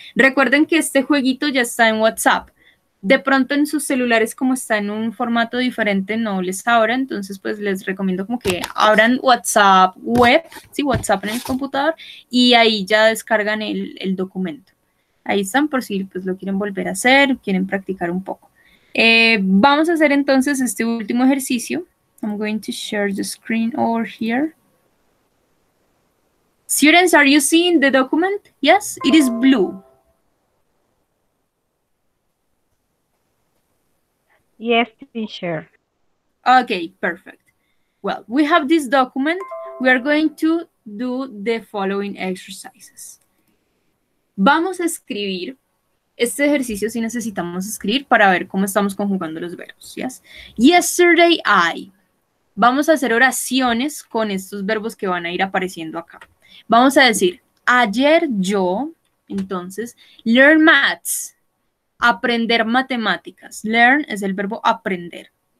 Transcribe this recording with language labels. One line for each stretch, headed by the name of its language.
Spanish: Recuerden que este jueguito ya está en WhatsApp. De pronto en sus celulares, como está en un formato diferente, no les abra. Entonces, pues, les recomiendo como que abran WhatsApp web, sí, WhatsApp en el computador, y ahí ya descargan el documento. Ahí están, por si pues, lo quieren volver a hacer, quieren practicar un poco. Vamos a hacer entonces este último ejercicio.
English: I'm going to share the screen over here. Students, are you seeing the document? Yes, it is blue. Yes, teacher. Okay, perfect. Well, we have this document. We are going to do the following exercises.
Spanish: Vamos a escribir este ejercicio si necesitamos escribir para ver cómo estamos conjugando los verbos, ¿yes?
English: Yesterday I.
Spanish: Vamos a hacer oraciones con estos verbos que van a ir apareciendo acá. Vamos a decir, ayer yo, entonces,
English: learn maths,
Spanish: aprender matemáticas. Learn es el verbo aprender.